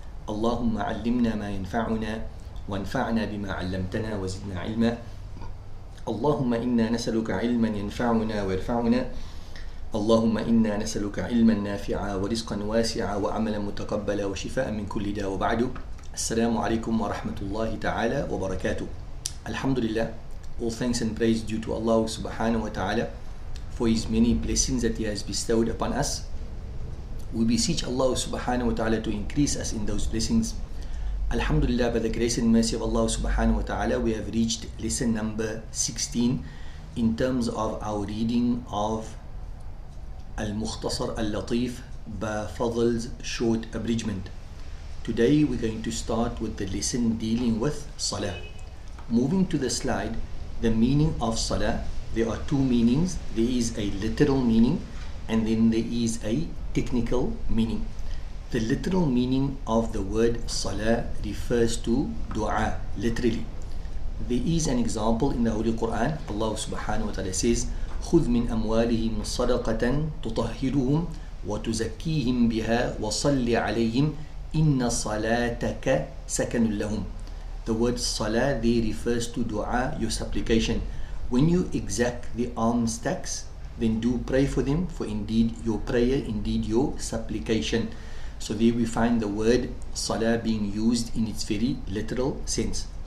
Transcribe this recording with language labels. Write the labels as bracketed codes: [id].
[ar] اللهم علمنا ما ينفعنا وانفعنا بما علمتنا وزدنا علما. اللهم إنا نسألك علما ينفعنا ويرفعنا. اللهم إنا نسألك علما نافعا ورزقا واسعا وعملا متقبلا وشفاء من كل داء. وبعد، السلام عليكم ورحمة الله تعالى وبركاته. الحمد لله، [en] all thanks and praise due to Allah subhanahu wa ta'ala for his many blessings that he has bestowed upon us. We beseech Allah subhanahu wa ta'ala to increase us in those blessings. Alhamdulillah, by the grace and mercy of Allah subhanahu wa ta'ala, we have reached lesson number 16 in terms of our reading of Al-Mukhtasar Al-Latif Ba-Fadl's short abridgment. Today we're going to start with the lesson dealing with Salah. Moving to the slide, the meaning of Salah, there are two meanings. There is a literal meaning and then there is a technical meaning. The literal meaning of the word Salah refers to Dua, literally. There is an example in the Holy Quran. Allah subhanahu wa ta'ala says, [ar] خُذْ مِنْ أَمْوَالِهِمْ صَدَقَةً تُطَهِّرُهُمْ وَتُزَكِّيهِمْ بِهَا وَصَلِّ عَلَيْهِمْ إِنَّ صَلَاتَكَ سَكَنٌ لَهُمْ. [en] The word Salah, they refers to Dua, your supplication. When you exact the alms tax, then do pray for them, for indeed your prayer, indeed your supplication. So there we find the word Salah being used in its very literal sense.